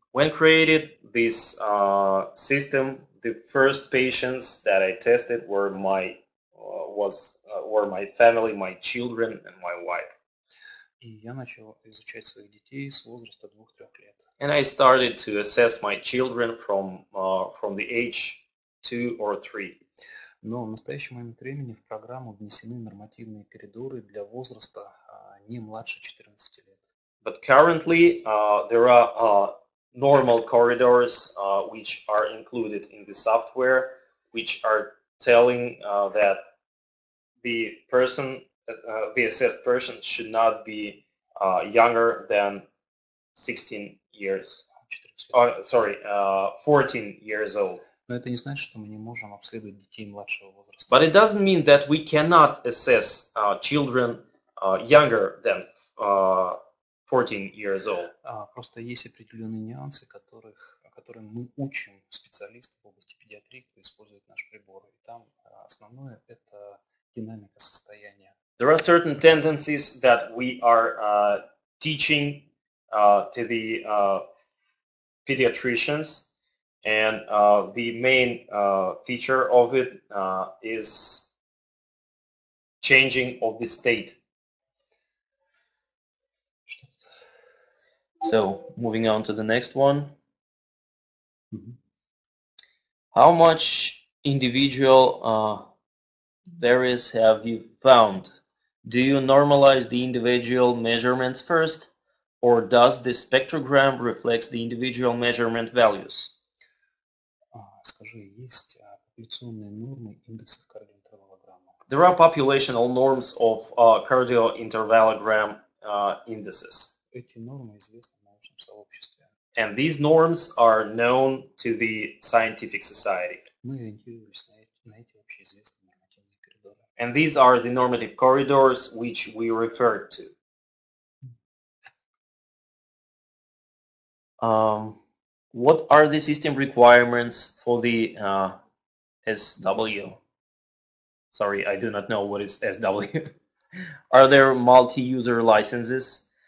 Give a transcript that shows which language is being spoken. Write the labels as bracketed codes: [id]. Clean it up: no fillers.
[en] When created this system, the first patients that I tested were my were my family, my children, and my wife. [ru] И я начал изучать своих детей с возраста 2-3 лет. [en] And I started to assess my children from the age 2 or 3. [ru] Но в настоящий момент времени в программу внесены нормативные коридоры для возраста не младше 14 лет. [en] But currently there are normal corridors which are included in the software, which are telling that the person, the assessed person should not be younger than 16 years, sorry, 14 years old. [ru] Но это не значит, что мы не можем обследовать детей младшего возраста. [en] But it doesn't mean that we cannot assess children younger than 14 years old. [ru] Просто есть определенные нюансы, которые мы учим специалистов в области педиатрии, кто использует наш прибор. И там основное – это динамика состояния. [en] There are certain tendencies that we are teaching to the pediatricians. And the main feature of it is changing of the state. So, moving on to the next one. How much individual variance have you found? Do you normalize the individual measurements first, or does the spectrogram reflect the individual measurement values? [ru] Скажи, есть популяционные нормы индекса кардиоинтервалограмма? [en] There are populational norms of cardiointervalogram indices. [ru] Эти нормы известны научному сообществу. [en] And these norms are known to the scientific society. [ru] Мы ориентируемся на эти общеизвестные нормативные коридоры. [en] And these are the normative corridors which we referred to. What are the system requirements for the SW? Sorry, I do not know what is SW. Are there multi-user licenses?